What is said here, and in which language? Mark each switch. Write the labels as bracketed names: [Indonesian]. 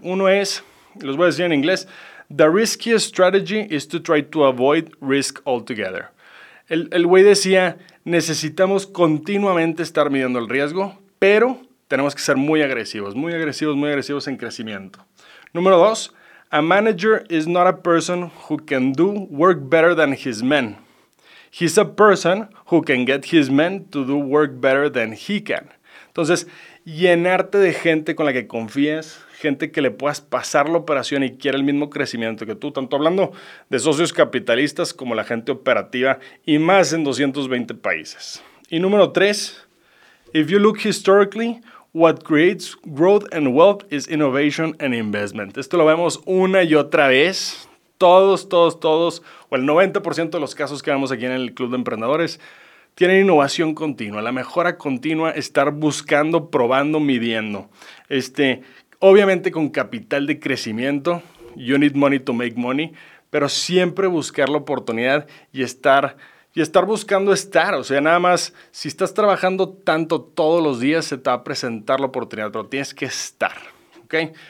[Spanish] Uno es, los voy a decir en inglés, [English] "The riskiest strategy is to try to avoid risk altogether." [Spanish] El güey decía, necesitamos continuamente estar midiendo el riesgo, pero tenemos que ser muy agresivos, muy agresivos, muy agresivos en crecimiento. Número dos, [English] "A manager is not a person who can do work better than his men. He's a person who can get his men to do work better than he can." [Spanish] Entonces, llenarte de gente con la que confíes, gente que le puedas pasar la operación y quiera el mismo crecimiento que tú, tanto hablando de socios capitalistas como la gente operativa, y más en 220 países. Y número tres, [English] "If you look historically, what creates growth and wealth is innovation and investment." [Spanish] Esto lo vemos una y otra vez. Todos, o el 90% de los casos que vemos aquí en el Club de Emprendedores, tienen innovación continua, la mejora continua, estar buscando, probando, midiendo. Obviamente con capital de crecimiento, [English] you need money to make money, [Spanish] pero siempre buscar la oportunidad y estar buscando estar, o sea, nada más, si estás trabajando tanto todos los días, se te va a presentar la oportunidad, pero tienes que estar, ¿ok?